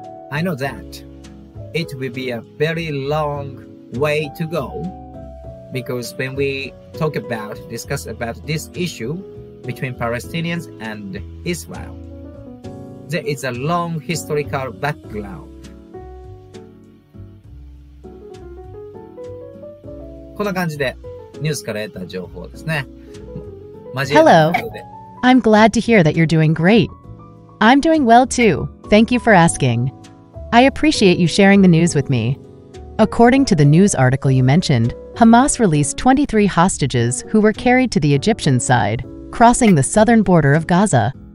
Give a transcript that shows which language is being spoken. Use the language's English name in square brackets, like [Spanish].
[English] I know that it will be a very long way to go because when we discuss about this issue between Palestinians and Israel, there is a long historical background. [Japanese] こんな感じでニュースから得た情報ですね。 [English] Hello, I'm glad to hear that you're doing great. I'm doing well too. Thank you for asking. I appreciate you sharing the news with me. According to the news article you mentioned, Hamas released 23 hostages who were carried to the Egyptian side, crossing the southern border of Gaza.